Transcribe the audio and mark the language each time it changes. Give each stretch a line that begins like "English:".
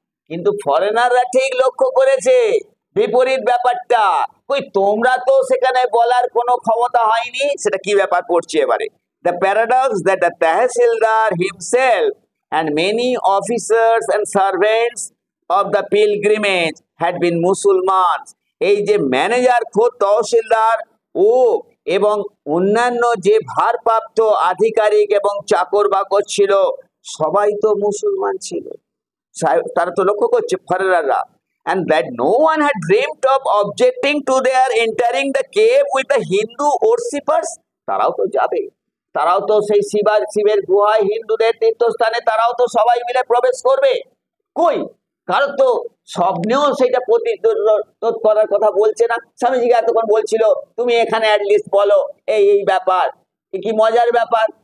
Bangla: কিন্তু ফরেনাররা ঠিক লক্ষ্য করেছে বিপরীত ব্যাপারটা, কই তোমরা তো সেখানে বলার কোনো ক্ষমতা হয়নি, সেটা কি ব্যাপার পড়ছে এবারে,
English: the paradox that the tahsildar himself and many officers and servants of the pilgrimage had been Muslims,
Bangla: এই যে ম্যানেজার খোদ তহসিলদার ও এবং অন্যান্য যে ভারপ্রাপ্ত আধিকারিক এবং চাকর বাকর ছিল সবাই তো মুসলমান ছিল। তারা তো লক্ষ্য করছে ফরেনাররা,
English: and that no one had dreamt of objecting to their entering the cave with the Hindu worshippers.
Bangla: তারাও তো যাবে, তারাও তো সেই শিবা শিবের গুহায় হিন্দুদের তীর্থস্থানে তারাও তো সবাই মিলে প্রবেশ করবে। কই, কারো তো স্বপ্নেও সেইটা প্রতিরোধ করার কথা বলছে না। স্বামীজিকে এতক্ষণ বলছিল তুমি এখানে অ্যাটলিস্ট বলো এই এই ব্যাপার, কি মজার ব্যাপার।